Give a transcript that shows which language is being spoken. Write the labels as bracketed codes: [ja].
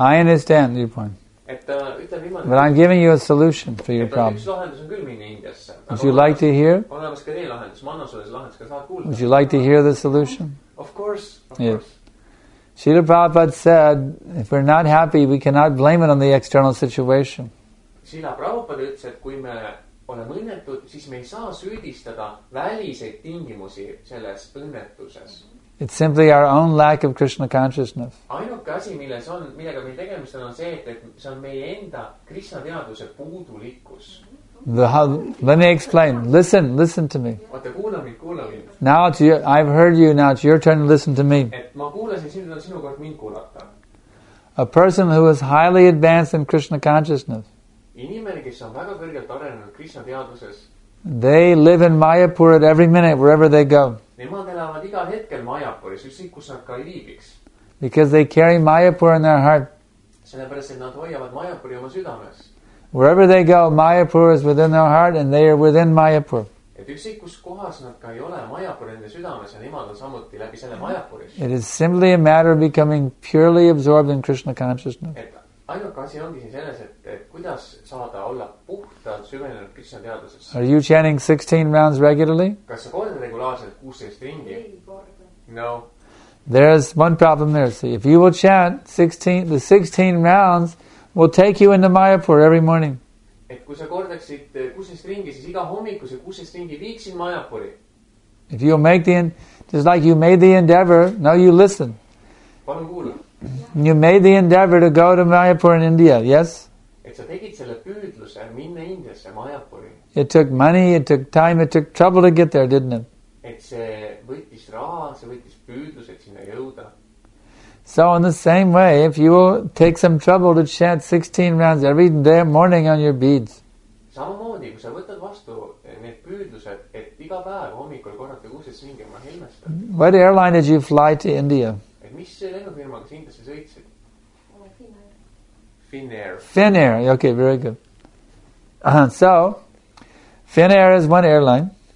[en] I understand your point. But I'm giving you a solution for your problem. Would you like to hear? Would you like to hear the solution? Of course. Srila Prabhupada said, if we're not happy, we cannot blame it on the external situation. [et] Srila Prabhupada ütles, et kui me oleme õnnetud, siis me ei saa süüdistada väliseid tingimusi selles õnnetuses. [en] It's simply our own lack of Krishna consciousness. [et] Ainuke asi, millega meil tegemist on see, et see on meie enda Krishna teaduse puudulikkus. [en] Let me explain. Listen to me. [et] Oota, kuula mind. [en] Now it's your, I've heard you, now it's your turn to listen to me. [et] Et ma kuulasin, siin on sinu kord mind kuulata. [en] A person who is highly advanced in Krishna consciousness. [et] Inimene, kes on väga kõrgelt arenenud Krishna teaduses. [en] They live in Mayapur at every minute, wherever they go. [et] Nemad elavad igal hetkel Mayapuris, just siin, kus nad ka ei viibiks. [en] Because they carry Mayapur in their heart. [et] Sellepärast, et nad hoiavad Mayapuri oma südames. [en] Wherever they go, Mayapur is within their heart and they are within Mayapur. [et] Et üksik, kus kohas nad ka ei ole Mayapur enda südames ja nemad on samuti läbi selle Mayapuris. [en] It is simply a matter of becoming purely absorbed in Krishna consciousness. [et] Et ainuke asi ongi siin selles, et, et kuidas saada olla puhtalt süvenenud Krishna teaduses. [en] Are you chanting 16 rounds regularly? [et] Kas sa kordad regulaarselt 16 ringi? [en] No. There is one problem there. See, if you will chant 16, the 16 rounds will take you into Mayapur every morning. [et] Et kui sa kordaksid 16 ringi, siis iga hommikuse 16 ringi viiksin Mayapuri. [en] If you make the, just like you made the endeavor, now you listen. [et] Palun kuule. [en] You made the endeavor to go to Mayapur in India, yes? [et] Et sa tegid selle püüdluse minna Indiasse Mayapuri. [en] It took money, it took time, it took trouble to get there, didn't it? [et] Et see võttis raha, see võttis püüdlus, et sinna jõuda. [en] So in the same way, if you will take some trouble to chant 16 rounds every day morning on your beads. [et] Samamoodi, kui sa võtad vastu need püüdlused, et iga päev hommikul korrata kuses mingi ma helmestan. [en] What airline did you fly to India? [et] Et mis see lennufirma, kus Indiasse sõitsid? [en] Finnair. Finnair, okay, very good. So, Finnair is one airline.